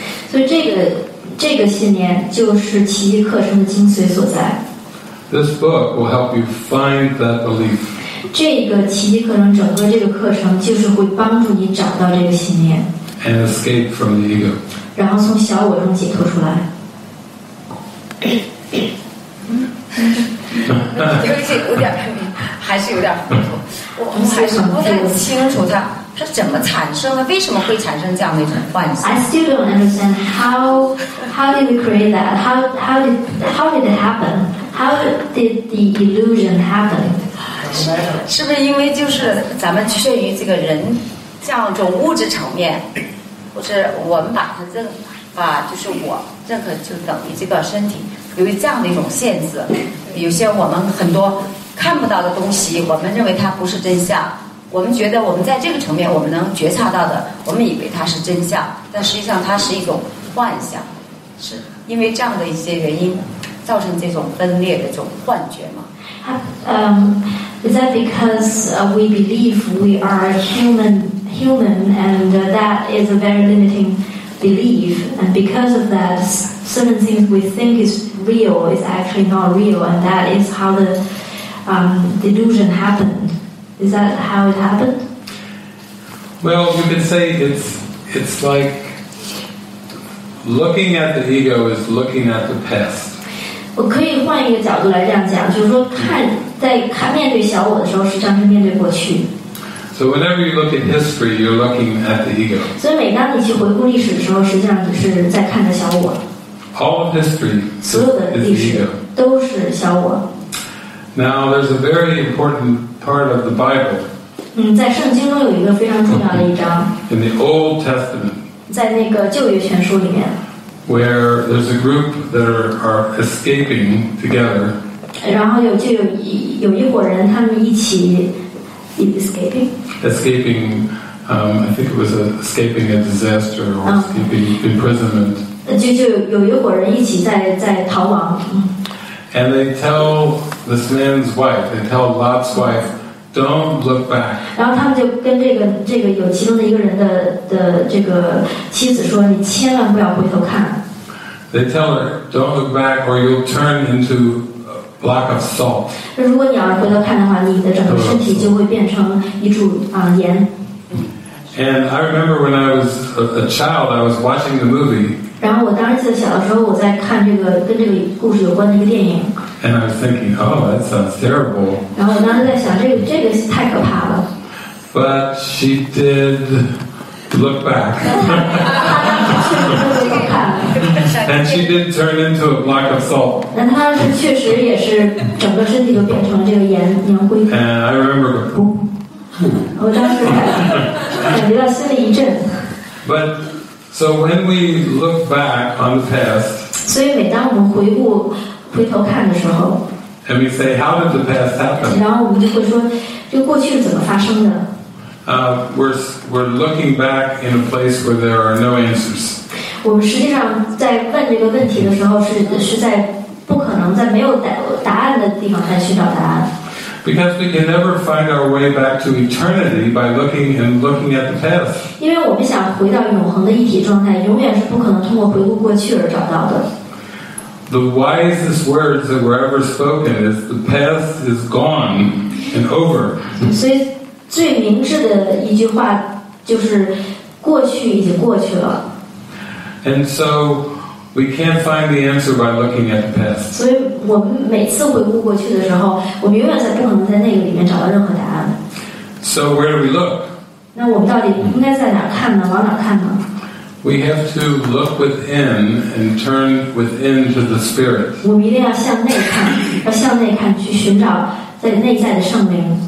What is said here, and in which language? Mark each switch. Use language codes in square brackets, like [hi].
[zh] 所以这个信念就是奇迹课程的精髓所在。 [en] This book will help you find that belief. [zh] 这个奇迹课程整个这个课程就是会帮助你找到这个信念。 [en] And escape from the ego. [zh] 然后从小我中解脱出来。因为这有点还是有点糊涂，我还是不太清楚它是怎么产生的？为什么会产生这样的一种幻想 [en] ？I still don't understand how did we create that? How did it happen? How did the illusion happen? [zh] 是不是因为就是咱们缺于这个人像一种物质层面，或是我们把它认啊，就是我认可就等于这个身体，由于这样的一种限制，有些我们很多看不到的东西，我们认为它不是真相。我们觉得我们在这个层面我们能觉察到的，我们以为它是真相，但实际上它是一种幻想，是因为这样的一些原因造成这种分裂的这种幻觉吗？ [en] Is that because we believe we are human and that is a very limiting belief, and because of that certain things we think is real is actually not real, and that is how the delusion happened? Is that how it happened? Well, you could say it's like looking at the ego is looking at the past. [zh] 我可以换一个角度来这样讲，就是说看在看面对小我的时候，实际上是面对过去。 [en] So whenever you look at history, you're looking at the ego. [zh] 所以每当你去回顾历史的时候，实际上你是在看着小我。 [en] All of history, [zh] 所有的历史都是小我。 [en] Now there's a very important part of the Bible. [zh] 在圣经中有一个非常重要的一章。 [en] In the Old Testament. [zh] 在那个旧约全书里面。 [en] Where there's a group that are escaping together. [zh] 然后有就有一伙人，他们一起 [en] escaping。 Escaping, I think it was escaping a disaster or escaping imprisonment. [zh] 就有一伙人一起在逃亡。 [en] And they tell this man's wife, they tell Lot's wife, don't look back. [zh] 然后他们就跟这个有其中的一个人的这个妻子说，你千万不要回头看。 [en] They tell her, don't look back or you'll turn into a block of salt. [zh] 如果你要是回头看的话，你的整个身体就会变成一柱盐。 [en] And I remember when I was a child, I was watching the movie. [zh] 然后我当时记得小的时候，我在看这个跟这个故事有关的一个电影。 [en] And I was thinking, oh, that sounds terrible. [zh] 然后我当时在想，这个太可怕了。 [en] But she did look back. [zh] 这个看了。 [en] And she did turn into a block of salt. [zh] 但她是确实也是整个身体都变成了这个盐灰。 [en] And I remember the boom. [zh] 我当时感觉到心里一震。 [en] But. So when we look back on the past, [zh] 所以每当我们回头看的时候 [en] and we say, how did the past happen? [zh] 然后我们就会说，这过去是怎么发生的？ [en] We're looking back in a place where there are no answers. [zh] 我们实际上在问这个问题的时候是在不可能在没有答案的地方在寻找答案。 [en] Because we can never find our way back to eternity by looking at the past. [zh] 因为我们想回到永恒的一体状态，永远是不可能通过回顾过去而找到的。 [en] The wisest words that were ever spoken is the past is gone and over. [zh] 所以最明智的一句话就是过去已经过去了。 [en] And so we can't find the answer by looking at the past. [zh] 所以我们每次回顾过去的时候，我们永远在不可能在那个里面找到任何答案。 [en] So where do we look? [zh] 那我们到底应该在哪看呢？往哪看呢？ [en] We have to look within and turn within to the spirit. [zh] 我们一定要向内看，要向内看，去寻找在内在的圣灵。